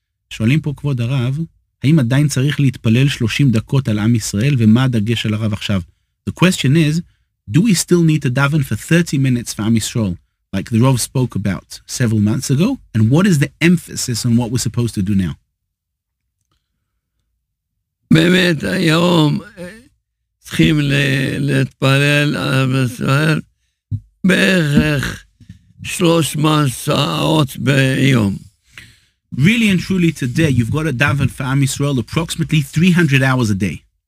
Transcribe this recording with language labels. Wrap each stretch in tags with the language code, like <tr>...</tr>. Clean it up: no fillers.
<he>שואלים פה כבוד הרב, האם עדיין צריך להתפלל 30 דקות על עם ישראל, ומה הדגש על הרב עכשיו?</he> <en>The question is, do we still need to daven for 30 minutes for Am Yisrael? Like the Rav spoke about several months ago, and what is the emphasis on what we're supposed to do now?</en> <he>באמת היום צריכים להתפלל עם ישראל בערך 3 שעות ביום.</he> <en>Really and truly today, you've got a daven for Am Yisrael approximately 300 hours a day.</en>